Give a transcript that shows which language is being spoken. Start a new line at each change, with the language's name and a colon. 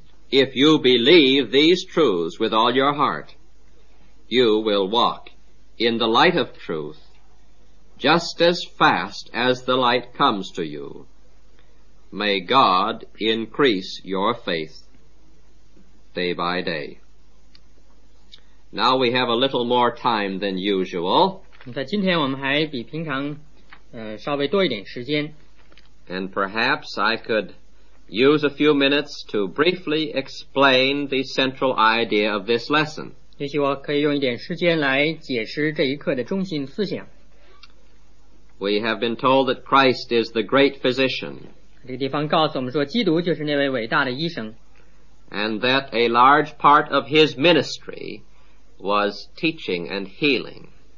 English: If you believe these truths with all your heart, you will walk in the light of truth just as fast as the light comes to you. May God increase your faith day by day. Now we have a little more time than usual.
Chinese: 今天我们还比平常稍微多一点时间。
English: And perhaps I could use a few minutes to briefly explain the central idea of this lesson.
Chinese: 也许我可以用一点时间来解释这一课的中心思想。
English: We have been told that Christ is the great physician.
Chinese: 这个地方告诉我们说基督就是那位伟大的医生。
English: And that a large part of his ministry was teaching and healing.